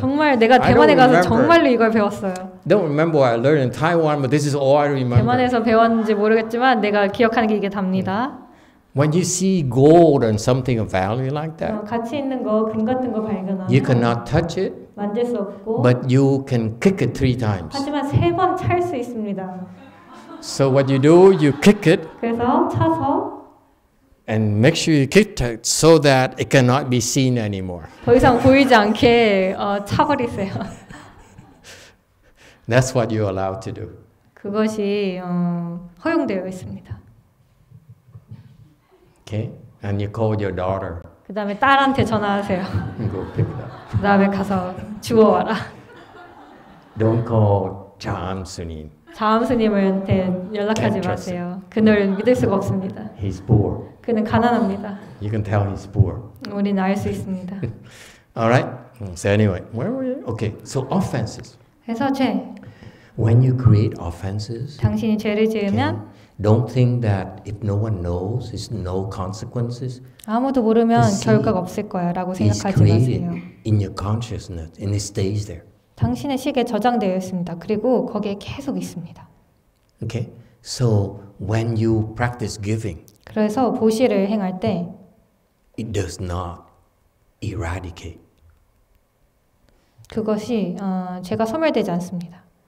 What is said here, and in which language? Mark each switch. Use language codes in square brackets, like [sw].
[ko] 정말 내가 대만에 가서 정말로 이걸 배웠어요. [en] Don't remember what I learned in Taiwan, but this is all I remember. [ko] 대만에서 배웠는지 모르겠지만 내가 기억하는 게 이게 답니다. [en] When you see gold and something of value like that, [ko] 가치 있는 거, 금 같은 거 발견하면, [en] you cannot touch it, [ko] 만질 수 없고, [en] but you can kick it three times. [ko] 하지만 세 번 찰 수 있습니다. [en] So what you do, you kick it, [ko] 그래서 차서, [en] and make sure you kick it so that it cannot be seen anymore. [ko] 더 이상 보이지 않게 차버리세요. [en] That's what you're allowed to do. [ko] 그것이 허용되어 있습니다. [en] Okay, and you call your daughter. [ko] 그 다음에 딸한테 전화하세요. [en] Go pick it up. [ko] 그 다음에 가서 주워 와라. [en] Don't call 자암 스님. [ko] 자암 스님한테 연락하지 마세요. 그는 믿을 수가 없습니다. [en] He's poor. [ko] 그는 가난합니다. [en] You can tell he's poor. [ko] 우리는 알 수 있습니다. [en] All right. So anyway, where were you? Okay. So offenses. [ko] 그래서 죄. [en] When you create offenses. [ko] 당신이 죄를 지으면. Okay. [en] Don't think that if no one knows, it's no consequences. [ko] 아무도 모르면 결과가 없을 거야라고 생각하지 마세요. [en] It's created in your consciousness, and it stays there. [ko] 당신의 시계 저장되어 있습니다. 그리고 거기에 계속 있습니다. [en] Okay. So when you practice giving, [ko] 그래서 보시를 행할 때, [en] it does not eradicate. [ko] 그것이 제가 소멸되지 않습니다.